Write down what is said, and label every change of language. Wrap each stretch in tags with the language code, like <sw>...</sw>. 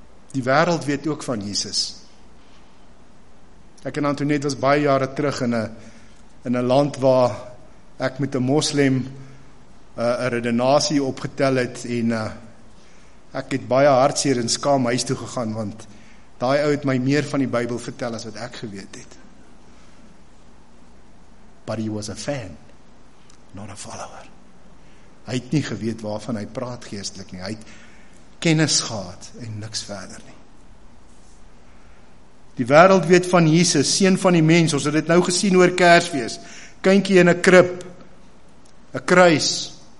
<af>Die wêreld weet ook van Jesus. Ek en Antoinette was baie jare terug in 'n land waar ek met 'n moslim 'n redenasie opgetel het en ek het baie hartseer en skaam huis toe gegaan, want daai ou het my meer van die Bybel vertel as wat ek geweet het.</af> <en>But he was a fan, not a follower.</en> <af>Hy het nie geweet waarvan hy praat geestelik nie. Hy het kennis gehad en niks verder nie. Die wêreld weet van Jesus, Seun van die mens. Ons het dit nou gesien oor Kersfees. Kindjie in 'n krib, 'n kruis.</af>